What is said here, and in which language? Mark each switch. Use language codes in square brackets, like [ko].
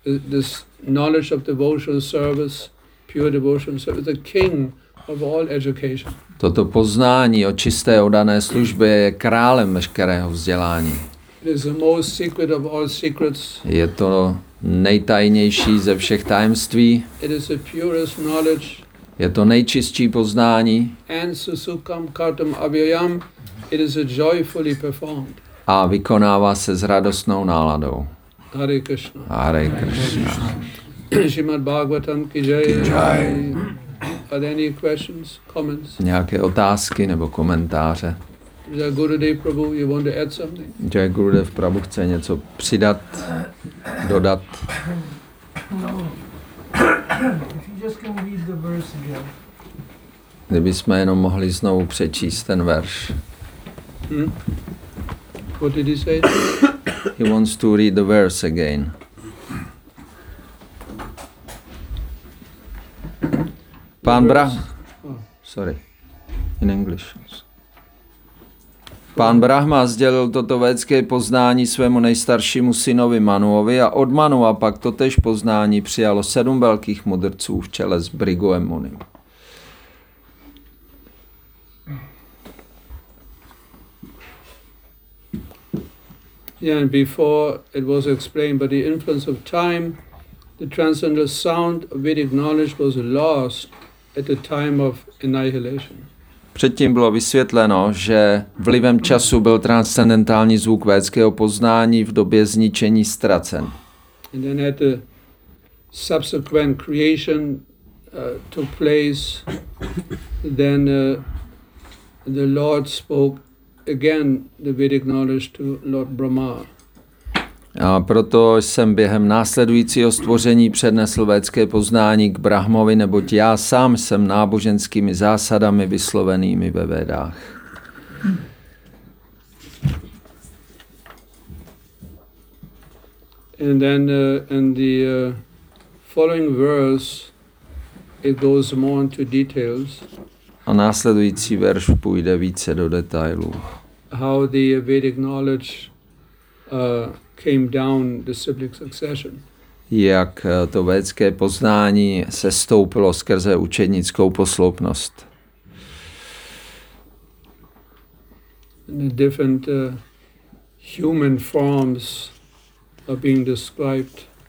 [en] This knowledge of devotional service, pure devotional service, the king of all education. [cs] Toto poznání o čisté oddané službě je králem veškerého vzdělání. [en] It is the most secret of all secrets. [cs] Je to nejtajnější ze všech tajemství. [en] It is the purest knowledge. [cs] Je to nejčistší poznání. [en] And [sa] susukam kartam avyayam, [en] it is a joyfully performed. [cs] A vykonává se s radostnou náladou. [sa] Hare Krishna. Hare Krishna. [hi] Srimad Bhagavatam ki jai. [en] Are there any questions, comments? [cs] Nějaké otázky nebo komentáře? [en] Jai Gurudev Prabhu, you want to add something? [cs] Jai Gurudev Prabhu chce něco přidat, dodat. [en] No. If you just can read the verse again. [cs] Kdybychom jenom mohli znovu přečíst ten verš. [en] What did he say? He wants to read the verse again. [cs] Pan Brahma. [en] Sorry. In English. [cs] Pan Brahma sdělil toto védské poznání svému nejstaršímu synovi Manuovi a od Manua pak totéž poznání přijalo 7 velkých mudrců v čele s Bhrigum Munim. [en] Yeah, and before it was explained by the influence of time, the transcendental sound of Vedic knowledge was lost at the time of annihilation. [cs] Předtím bylo vysvětleno, že vlivem času byl transcendentální zvuk védského poznání v době zničení ztracen. [en] And then at the subsequent creation took place, then the Lord spoke again the Vedic knowledge to Lord Brahma. [cs] A proto jsem během následujícího stvoření přednesl védské poznání k Brahmovi, neboť já sám jsem náboženskými zásadami vyslovenými ve Vedách. [en] And then in the following verse it goes more into details. [cs] A následující verš půjde více do detailů. [en] How the Vedic knowledge came down the cyclic succession. [cs] Jak to védské poznání se stoupilo skrze učednickou posloupnost. [en] The different human forms are being described.